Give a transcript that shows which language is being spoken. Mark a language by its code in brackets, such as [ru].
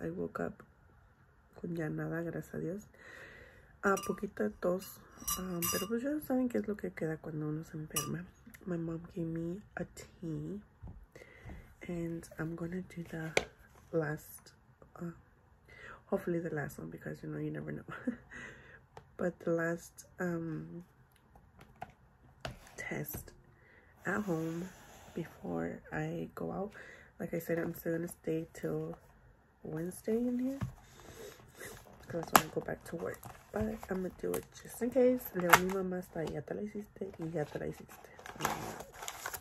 [en] I woke up [es] con ya nada, gracias a Dios. A poquita tos, pero pues ya saben que es lo que queda cuando uno se enferma. [en] My mom gave me a tea and I'm gonna do the last, hopefully the last one, because you know, you never know. But the last test at home before I go out. Like I said, I'm still gonna stay till Wednesday in here because I want to go back to work. But I'm gonna do it just in case. [es] Leo, mi mamá está, ya te la hiciste y ya te la hiciste.